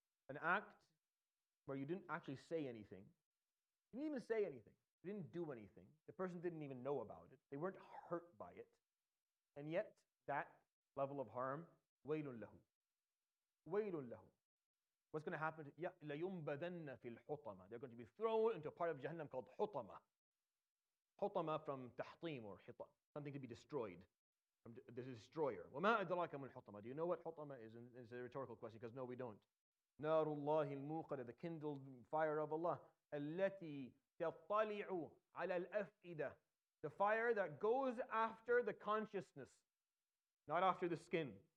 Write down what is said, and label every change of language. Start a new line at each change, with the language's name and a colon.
English: An act where you didn't actually say anything. You didn't even say anything. You didn't do anything. The person didn't even know about it. They weren't hurt by it. And yet, that level of harm,
Arabic: وَيْلٌ لَهُ. وَيْلٌ لَهُ.
English: What's going to happen?
Arabic: لَيُنْبَذَنَّ فِي الْحُطَمَةِ.
English: They're going to be thrown into a part of Jahannam called حُطَمَة.
Arabic: حُطَمَة
English: from
Arabic: تَحْطِيم
English: or
Arabic: حِطَم.
English: Something to be destroyed. The destroyer.
Arabic: وَمَا أَدْرَاكَ مُنْ حُطَمَةِ.
English: Do you know what حُطَمَةِ is? It's a rhetorical question because no, we don't.
Arabic: نَارُ اللَّهِ الْمُوقَدَةِ,
English: the kindled fire of Allah.
Arabic: الَّتِي تَطَّلِعُ عَلَى الْأَفْئِدَةِ,
English: the fire that goes after the consciousness, not after the skin.